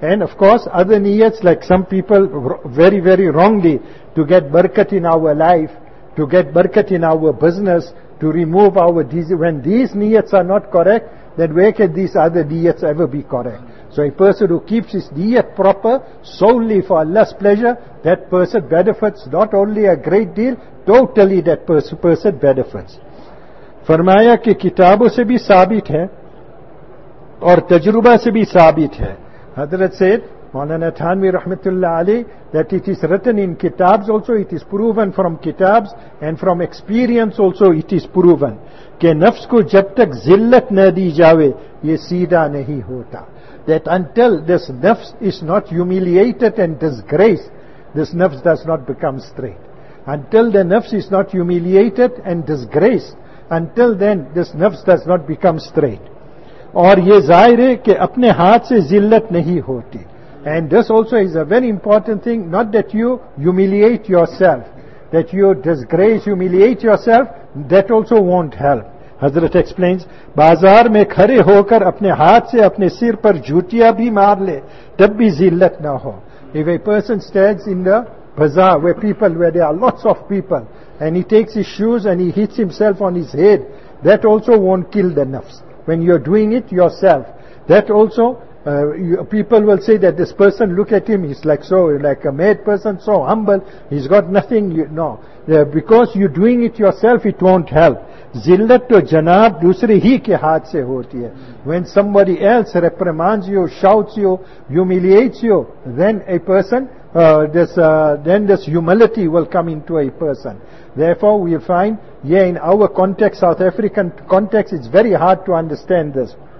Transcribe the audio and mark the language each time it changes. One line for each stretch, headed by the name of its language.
English: And of course, other niyats, like some people very, very wrongly, to get barakat in our life, to get barakat in our business, to remove our disease. When these niyats are not correct, then where can these other niyats ever be correct? So a person who keeps his diet proper solely for Allah's pleasure, that person benefits not only a great deal, totally that person benefits.
Urdu: فرمایا کہ کتابوں سے بھی ثابت ہے اور تجربہ سے بھی ثابت ہے.
English: حضرت سید مولانا تھانوی رحمت اللہ علی, that it is written in kitabs also, it is proven from kitabs and from experience also it is proven,
Urdu: کہ نفس کو جب تک ذلت نہ دی جاوے یہ سیدھا نہیں ہوتا.
English: That until this nafs is not humiliated and disgraced, this nafs does not become straight. Until the nafs is not humiliated and disgraced, until then this nafs does not become straight.
Urdu: اور یہ ظاہر ہے کہ اپنے ہاتھ سے ذلت نہیں ہوتی.
English: And this also is a very important thing, not that you humiliate yourself, that you disgrace, humiliate yourself, that also won't help.
Urdu: حضرت explains, بازار میں کھڑے ہو کر اپنے ہاتھ سے اپنے سر پر جھوٹیا بھی مار لے تب بھی ذلت نہ ہو.
English: If a person stands in the bazaar where there are lots of people and he takes his shoes and he hits himself on his head, that also won't kill the nafs. When you're doing it yourself, that also people will say that this person, look at him, he's like a mad person, so humble, he's got nothing. Because you're doing it yourself, it won't help.
Urdu: ذلت تو جناب دوسرے ہی کے ہاتھ سے ہوتی ہے.
English: When somebody else reprimands you, shouts you, humiliates you, then a person, this humility will come into a person. Therefore we find, in our context, South African context, it's very hard to understand this.